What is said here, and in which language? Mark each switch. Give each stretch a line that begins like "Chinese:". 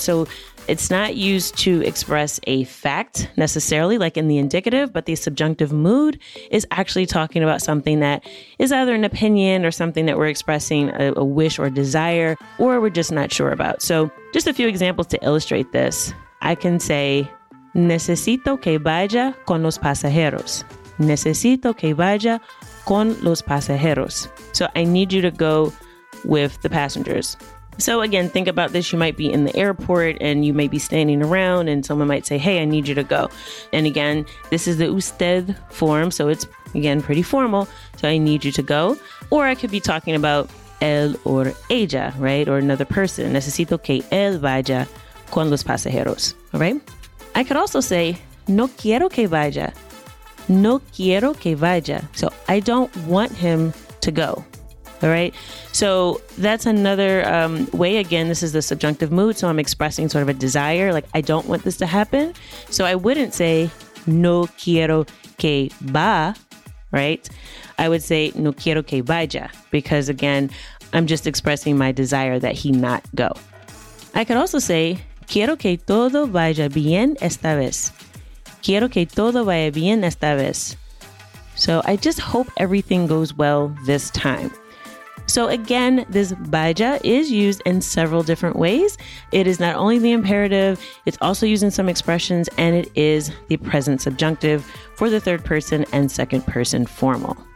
English: So it's not used to express a fact necessarily, like in the indicative, but the subjunctive mood is actually talking about something that is either an opinion or something that we're expressing a wish or desire, or we're just not sure about. So just a few examples to illustrate this. I can say,
Spanish: necesito que vaya con los pasajeros. Necesito que vaya con los pasajeros.
English: So I need you to go with the passengers. So again, think about this. You might be in the airport and you may be standing around and someone might say, hey, I need you to go. And again, this is the usted form. So it's, again, pretty formal. So I need you to go. Or I could be talking about él or ella, right? Or another person.
Spanish: Necesito que él vaya con los pasajeros.
English: All right? I could also say,
Spanish: no quiero que vaya. No quiero que vaya.
English: So I don't want him to go. All right. So that's another way. Again, this is the subjunctive mood. So I'm expressing sort of a desire, like I don't want this to happen. So I wouldn't say
Spanish: no quiero que va.
English: Right. I would say
Spanish: no quiero que vaya,
English: because again, I'm just expressing my desire that he not go. I could also say,
Spanish: quiero que todo vaya bien esta vez. Quiero que todo vaya bien esta vez.
English: So I just hope everything goes well this time. So again, this vaya is used in several different ways. It is not only the imperative, it's also used in some expressions, and it is the present subjunctive for the third person and second person formal.